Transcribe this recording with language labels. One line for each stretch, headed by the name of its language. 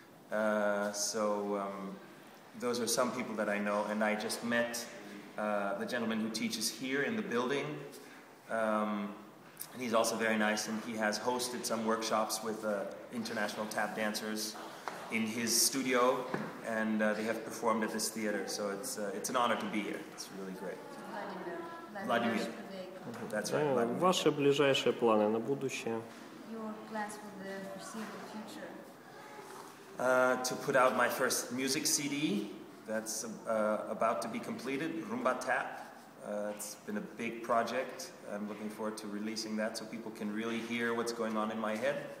English: So those are some people that I know, and I just met the gentleman who teaches here in the building. And he's also very nice, and he has hosted some workshops with international tap dancers in his studio, and they have performed at this theater. So it's an honor to be here. It's really great. Vladimir. That's right. Vladimir.
Russian: Ваши ближайшие планы на будущее?
English: Your plans for the foreseeable future. To put out my first music CD that's about to be completed, Rumba Tap. It's been a big project. I'm looking forward to releasing that so people can really hear what's going on in my head.